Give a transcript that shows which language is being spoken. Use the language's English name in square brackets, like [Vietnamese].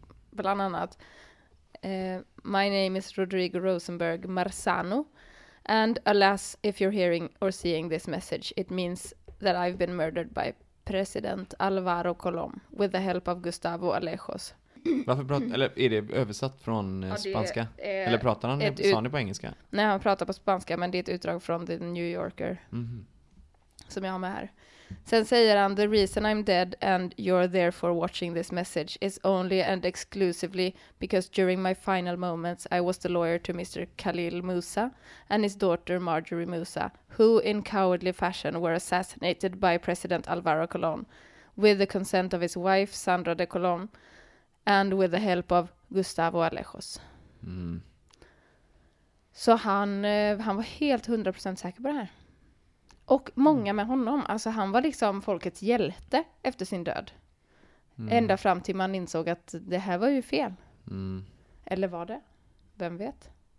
[Swedish] bland annat [English] my name is Rodrigo Rosenberg Marzano and alas if you're hearing or seeing this message it means that I've been murdered by president Alvaro Colom with the help of Gustavo Alejos. [Swedish] Varför pratar, eller är det översatt från spanska? Det, eller pratar han det på engelska? Nej, han pratar på spanska, men det är ett utdrag från The New Yorker som jag har med här. Sen säger han, [English] the reason I'm dead and you're therefore watching this message is only and exclusively because during my final moments I was the lawyer to Mr. Khalil Musa and his daughter Marjorie Musa, who in cowardly fashion were assassinated by President Alvaro Colón with the consent of his wife Sandra de Colón and with the help of Gustavo Alejos. Mm. [Swedish] Så han var helt 100% säker på det här. Och många med honom, alltså han var liksom folkets hjälte efter sin död. Mm. Ända fram till man insåg att det här var ju fel. Mm. Eller var det? Vem vet?